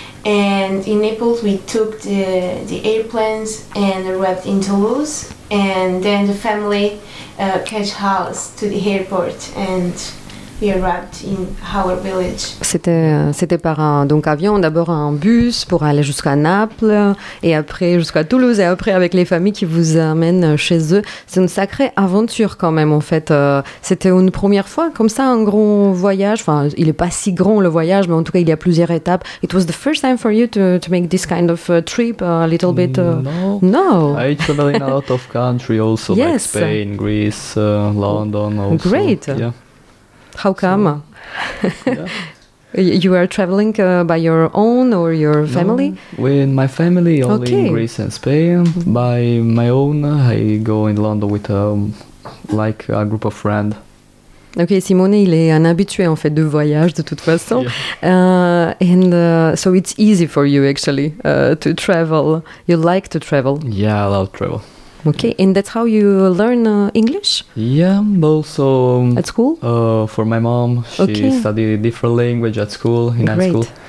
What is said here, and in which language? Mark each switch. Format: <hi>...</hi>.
<en>And in Naples, we took the airplanes and arrived in Toulouse. And then the family catch house to the airport and we arrived in our village.</en> <fr>C'était par un donc avion, d'abord un bus pour aller jusqu'à Naples et après jusqu'à Toulouse et après avec les familles qui vous amènent chez eux. C'est une sacrée aventure quand même en fait. C'était une première fois comme ça, un grand voyage. Enfin, il n'est pas si grand le voyage, mais en tout cas, il y a plusieurs étapes.</fr> <en>It was the first time for you to make this kind of trip a little bit? No. I traveled in a lot of country also, yes. Like Spain, Greece, London also. Great. Yeah. How come? So, yeah. You are traveling by your own or your family? No, with my family, only okay. in Greece and Spain. By my own, I go in London with like a group of friends.</en> <fr>Okay, Simone, il est un habitué en fait de voyage de toute façon.</fr> <en>Yeah. So it's easy for you actually to travel. You like to travel? Yeah, I love travel. Okay, and that's how you learn English? Yeah, but also... At school? For my mom, she okay. studied a different language at school, in Great. High school.</en>